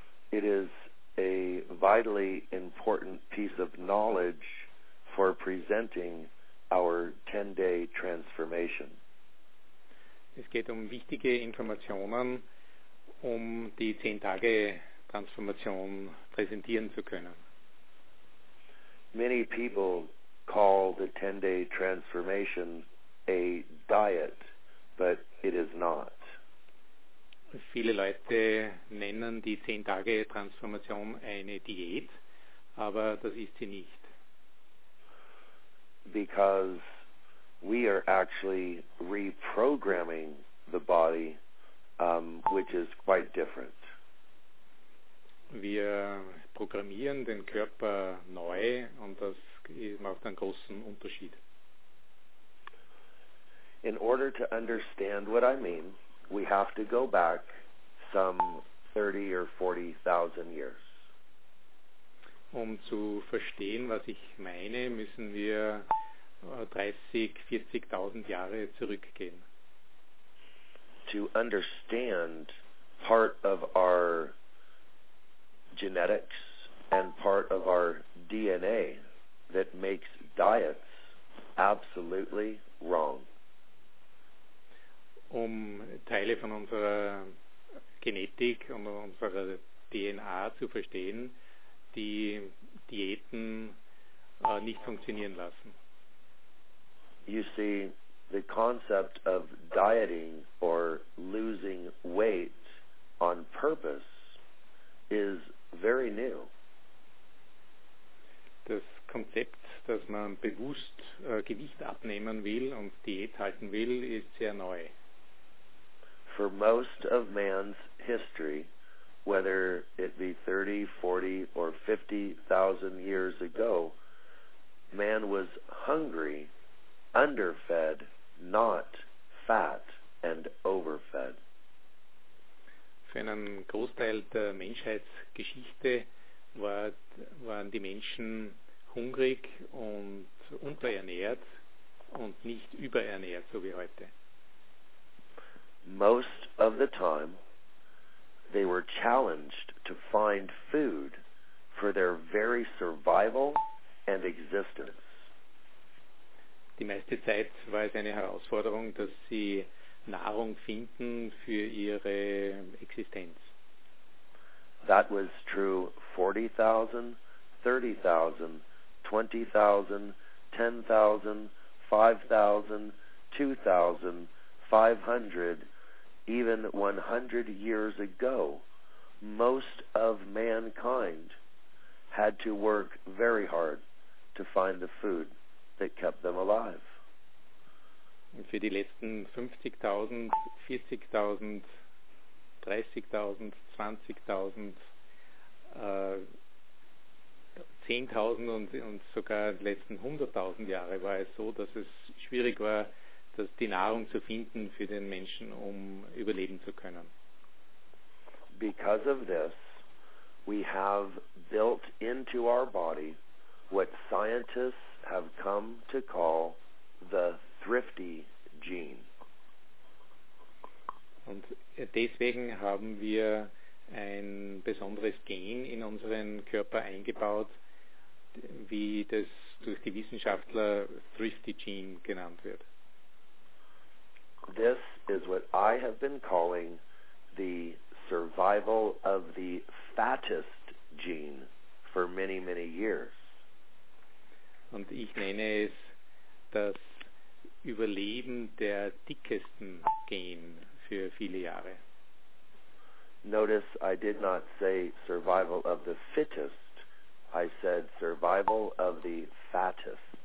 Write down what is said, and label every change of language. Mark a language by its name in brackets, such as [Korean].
[English] It is a vitally important piece of knowledge for presenting our 10-day transformation. [German] Es geht um wichtige Informationen, um die 10-Tage-Transformation präsentieren zu können. [English] Many people call the 10-day transformation a diet, but it is not. [German] Viele Leute nennen die 10-Tage-Transformation eine Diät, aber das ist sie nicht. [English] Because we are actually reprogramming the body, which is quite different. [German] Wir programmieren den Körper neu und das macht einen großen Unterschied. [English] In order to understand what I mean, we have to go back some 30,000 or 40,000 years. [German] Um zu verstehen, was ich meine, müssen wir 30,000-40,000 Jahre zurückgehen. [English] To understand part of our genetics and part of our DNA that makes diets absolutely wrong. [German] Um Teile von unserer Genetik und unserer DNA zu verstehen, die Diäten nicht funktionieren lassen. [English] You see, the concept of dieting or losing weight on purpose is very new. [German] Das Konzept, dass man bewusst Gewicht abnehmen will und Diät halten will, ist sehr neu. [English] For most of man's history, whether it be 30, 40 or 50,000 years ago, man was hungry, underfed, not fat and overfed. [German] Für einen Großteil der Menschheitsgeschichte waren die Menschen hungrig und unterernährt und nicht überernährt, so wie heute. [English] Most of the time, they were challenged to find food for their very survival and existence. [German] Die meiste Zeit war es eine Herausforderung, dass sie Nahrung finden für ihre Existenz. [English] That was true 40,000, 30,000, 20,000, 10,000, 5,000, 2,000, 500, even 100 years ago. Most of mankind had to work very hard to find the food that kept them alive. [German] Für die letzten 50,000, 40,000, 30.000, 20.000, 10.000 und sogar in den letzten 100.000 Jahren war es so, dass es schwierig war, dass die Nahrung zu finden für den Menschen, um überleben zu können. [English] Because of this, we have built into our body what scientists have come to call the thrifty gene. [German] Und deswegen haben wir ein besonderes Gen in unseren Körper eingebaut, wie das durch die Wissenschaftler thrifty gene genannt wird. [English] This is what I have been calling the survival of the fattest gene for many, many years. [German] Und ich nenne es das Überleben der dickesten Gen für viele Jahre. [English] Notice I did not say survival of the fittest, I said survival of the fattest.